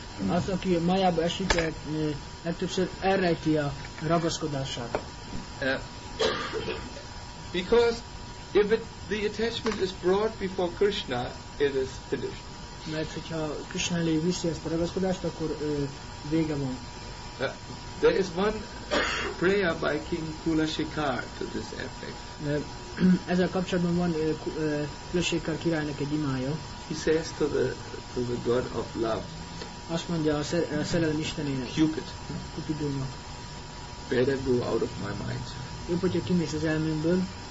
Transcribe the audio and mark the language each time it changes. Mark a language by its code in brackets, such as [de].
[hu] Az, aki Mayába esik, legtöbbször elrejti a ragaszkodását. [en] Because if the attachment is brought before Krishna, it is finished. [hu] Mert hogyha Krishna elé viszi ezt a ragaszkodást, akkor vége van. [en] There is one prayer by King Kulashekar to this effect. [hu] Ezzel kapcsolatban van Kulashekar királynak egy imája. [en] he says to the god of love, [hu] azt mondja a szerelem istenének, [en] Cupid, [hu] Cupidónak, [en] better go out of my mind. [hu] Jobb, hogyha kimész az elmémből.